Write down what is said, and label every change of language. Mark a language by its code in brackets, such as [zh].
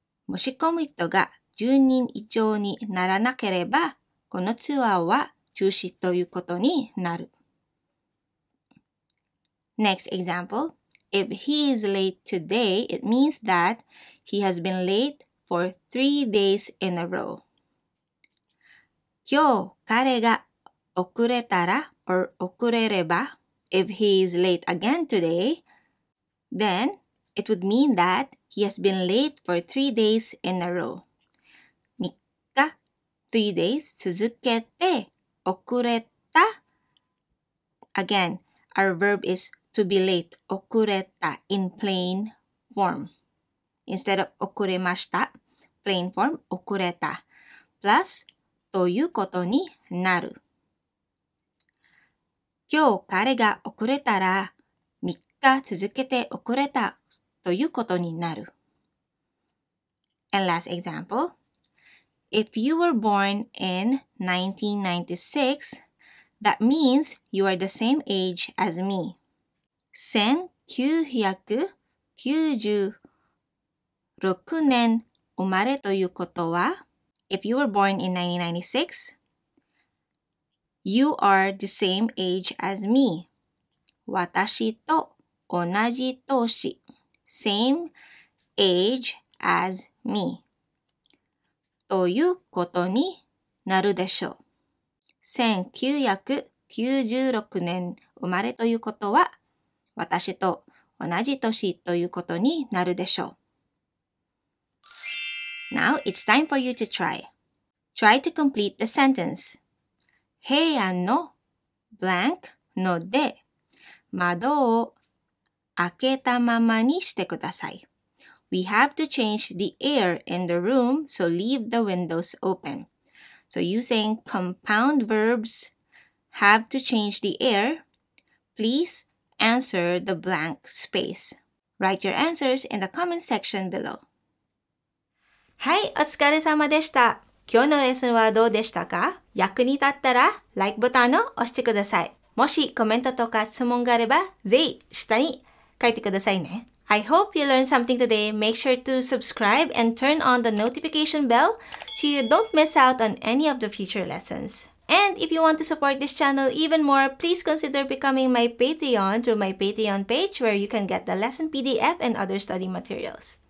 [ja] 申し込む人が10人以上にならなければ、このツアーは中止ということになる。 [en] Next example, if he is late today, it means that he has been late for 3 days in a row. [ja] 今日彼が遅れたら or 遅れれば、 [en] if he is late again today, then it would mean that he has been late for 3 days in a row. [ja] 3日, [en] 3 days, [ja] 続けて遅れた。 [en] Again, our verb is to be late, 遅れた, in plain form. Instead of 遅れました, plain form, 遅れた。 [ja] Plus, ということになる。今日彼が遅れたら3日続けて遅れたということになる。 [en] And last example. If you were born in 1996, that means you are the same age as me. [ja] 1996年生まれということは、 [en] if you were born in 1996,You are the same age as me. [ja] 私と同じ年。 [en] Same age as me. [ja] ということになるでしょう。1996年生まれということは、私と同じ年ということになるでしょう。 [en] Now it's time for you to try. Try to complete the sentence. [ja] 部屋の blank ので窓を開けたままにしてください。 [en] We have to change the air in the room, so leave the windows open. So using compound verbs, have to change the air, please answer the blank space. Write your answers in the comment section below. [ja] はい、お疲れ様でした。今日のレッスンはどうでしたか？役に立ったら、LIKE ボタンを押してください。もしコメントとか質問があれば、ぜひ下に書いてくださいね。 [en] I hope you learned something today. Make sure to subscribe and turn on the notification bell so you don't miss out on any of the future lessons. And if you want to support this channel even more, please consider becoming my Patreon through my Patreon page where you can get the lesson PDF and other study materials.